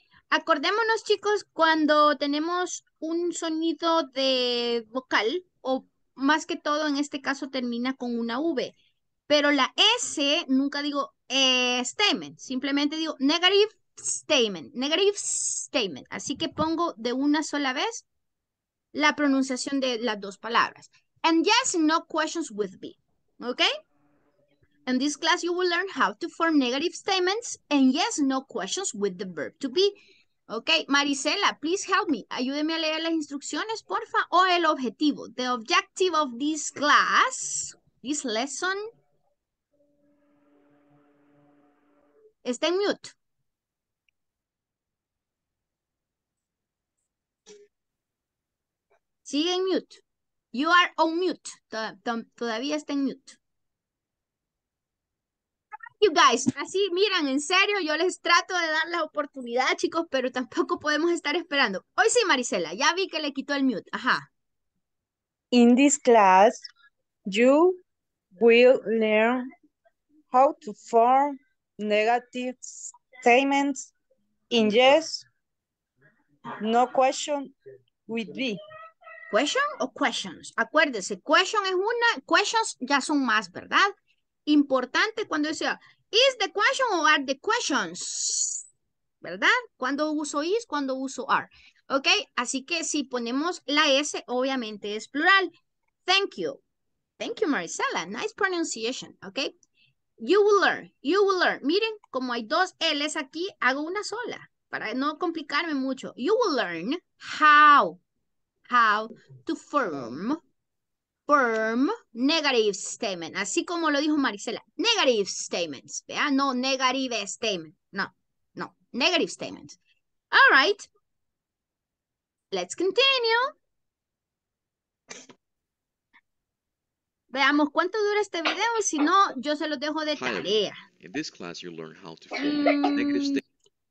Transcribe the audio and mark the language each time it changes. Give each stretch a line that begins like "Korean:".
Spanish: Acordémonos, chicos, cuando tenemos un sonido de vocal, o más que todo en este caso termina con una V, pero la S nunca digo statement, simplemente digo negative statement, así que pongo de una sola vez la pronunciación de las dos palabras.
English: And yes, no questions with B. Okay? In this class, you will learn how to form negative statements. And yes, no questions with the verb to be. Okay, Marisela, please help me.
Spanish: Ayúdeme a leer las instrucciones, porfa. O el objetivo.
English: The objective of this class, this lesson.
Spanish: Está en mute. Sigue en mute.
English: You are on mute.
Spanish: Todavía está en mute. You guys, así miran, en serio, yo les trato de dar la oportunidad, chicos, pero tampoco podemos estar esperando. Hoy sí, Marisela, ya vi que le quitó el mute. Ajá.
English: In this class, you will learn how to form negative statements in yes, no question with B. Question o questions.
Spanish: Acuérdese, question es una, questions ya son más, ¿verdad? Importante cuando decía,
English: ¿is the question or are the questions?
Spanish: ¿verdad? ¿Cuándo uso is? ¿Cuándo uso are? ¿Ok? Así que si ponemos la S, obviamente es plural.
English: Thank you. Thank you, Marisela. Nice pronunciation. ¿Ok? You will learn. You will learn.
Spanish: Miren, como hay dos L's aquí, hago una sola para no complicarme mucho.
English: You will learn how. How to form negative statement.
Spanish: Así como lo dijo Marisela. Negative statements. ¿Vea? No, negative statement. No. No. Negative statements.
English: All right. Let's continue.
Spanish: Veamos cuánto dura este video. Si no, yo se lo dejo de tarea.
English: In this class, you learn how to form negative statements.